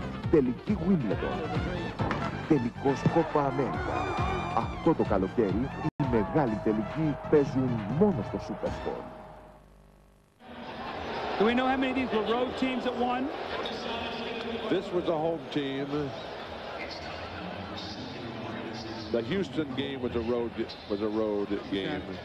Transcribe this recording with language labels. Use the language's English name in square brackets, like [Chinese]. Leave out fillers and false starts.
[Greek] Τελική Wimbledon. Τελικός Copa America. Αυτό το καλοκαίρι οι μεγάλοι τελικοί παίζουν μόνο στο Super Sport. [English] Do we know how many of these were road teams that won? This was a home team. The Houston game was a road game. Okay.